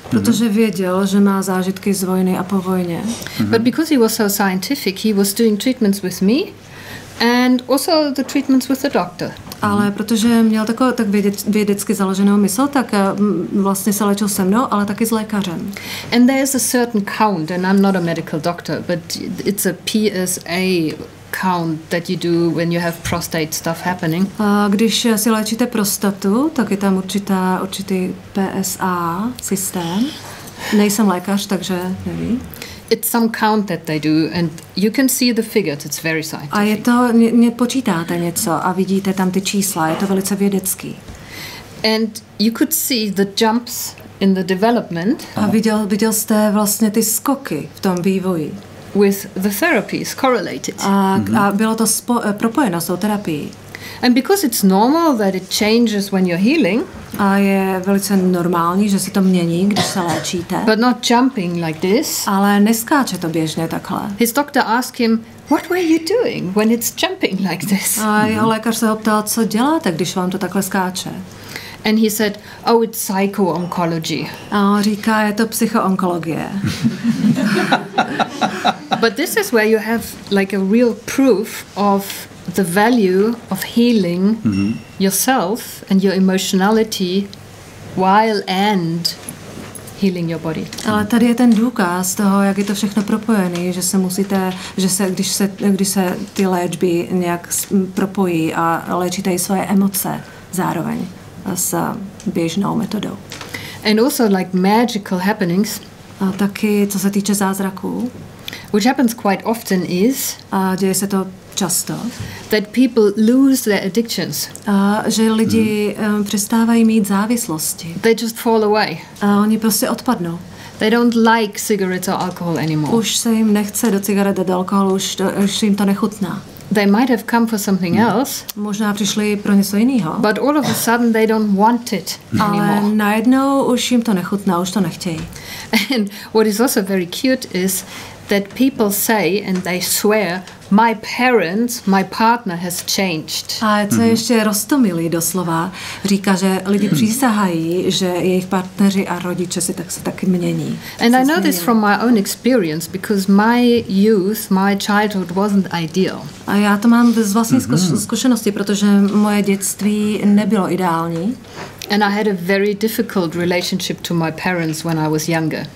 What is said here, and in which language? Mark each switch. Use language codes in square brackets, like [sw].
[cs] Protože věděl, že má zážitky z vojny a po vojně. [en] But because he was so scientific, he was doing treatments with me and also the treatments with the doctor. [cs] Ale protože měl tak vědecky založenou mysl, tak vlastně se léčil se mnou, ale taky s lékařem. [en] And there is a certain count, and I'm not a medical doctor, but it's a PSA count that you do when you have prostate stuff happening. [cs] A když si léčíte prostatu, tak je tam určitý PSA systém. Nejsem lékař, takže nevím. [en] It's some count that they do and you can see the figures, it's very scientific. [cs] A je to, počítáte něco a vidíte tam ty čísla, je to velice vědecký. [en] And you could see the jumps in the development. [cs] A viděl jste vlastně ty skoky v tom vývoji. [en] With the therapies correlated. [cs] A bylo to propojeno s tou terapií. [en] And because it's normal that it changes when you're healing. [cs] A je velice normální, že se to mění, když se léčíte. [en] But not jumping like this. [cs] Ale neskáče to běžně takhle. [en] His doctor asked him, "What were you doing when it's jumping like this?" [cs] A jeho lékař se ho ptal, co děláte, když vám to takhle skáče. [en] And he said, "Oh, it's psycho-oncology." [cs] A on říká, je to psycho-onkologie. [en] But this is where you have like a real proof of the value of healing yourself and your emotionality while and healing your body. [cs] Ale tady je ten důkaz toho, jak je to všechno propojené, že se musíte, když se ty léčby nějak propojí a léčíte i svoje emoce zároveň s běžnou metodou. [en] And also like magical happenings. [cs] A taky co se týče zázraků. [en] Which happens quite often is. [cs] A děje se to často. [en] That people lose their addictions. [cs] Že lidi přestávají mít závislosti. [en] They just fall away. [cs] A oni prostě odpadnou. [en] They don't like cigarettes or alcohol anymore. [cs] Už se jim nechce do cigaret a do alkoholu, už jim to nechutná. [en] They might have come for something else. [cs] Možná přišli pro něco jiného. [en] But all of a sudden they don't want it anymore. [cs] Ale najednou už jim to nechutná, už to nechtějí. [en] And what is also very cute is that people say and they swear, my parents, my partner has changed. [cs] A co je ještě roztomilý doslova, říká, že lidi přísahají, že jejich partneři a rodiče se tak mění. [en] And I know this from my own experience, because my youth, my childhood wasn't ideal. [cs] A já to mám z vlastní zkušenosti, protože moje dětství nebylo ideální. [en] And I had a very difficult relationship to my parents when I was younger.